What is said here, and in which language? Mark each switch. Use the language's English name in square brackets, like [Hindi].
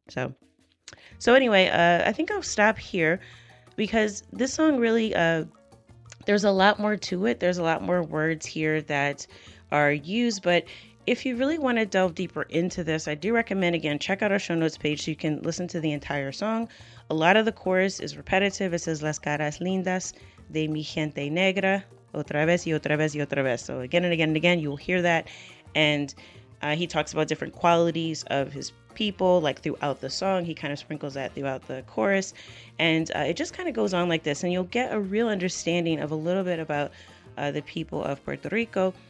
[English] So anyway, I think I'll stop here because this song really, there's a lot more to it. There's a lot more words here that are used, but if you really want to delve deeper into this, I do recommend, again, check out our show notes page so you can listen to the entire song. A lot of the chorus is repetitive. It says, [Spanish] las caras lindas de mi gente negra, otra vez y otra vez y otra vez. [English] So again and again and again, you'll hear that. And he talks about different qualities of his people, like throughout the song. He kind of sprinkles that throughout the chorus. And it just kind of goes on like this. And you'll get a real understanding of a little bit about the people of Puerto Rico.